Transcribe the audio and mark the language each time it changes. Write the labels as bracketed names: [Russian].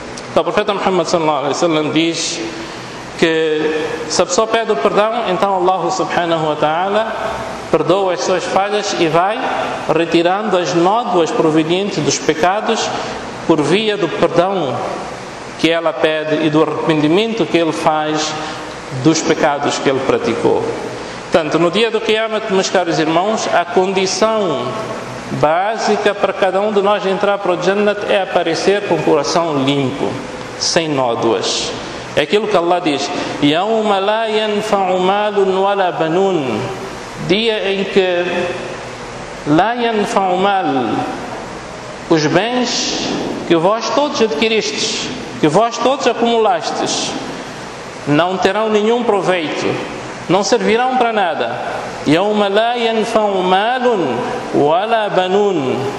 [Portuguese] Então o profeta Muhammad sallallahu alaihi wasallam diz que se a pessoa pede o perdão, então Allah subhanahu wa ta'ala perdoa as suas falhas e vai retirando as nódoas provenientes dos pecados por via do perdão que ela pede e do arrependimento que ele faz dos pecados que ele praticou. Portanto, no dia do Qiyamah, meus caros irmãos, a condição básica para cada um de nós entrar para o Jannat é aparecer com o coração limpo, sem nódoas. É aquilo que Allah diz: [Arabic] يَوْمَ لَا يَنْفَعُ مَالٌ وَلَا بَنُونَ. [Portuguese] Dia em que [Arabic] لَا يَنْفَعُ مَالٌ, [Portuguese] os bens que vós todos adquiristes, que vós todos acumulastes, não terão nenhum proveito, não servirão para nada. [Arabic] يَوْمَ لَا يَنْفَعُ مَالٌ وَلَا بَنُونَ.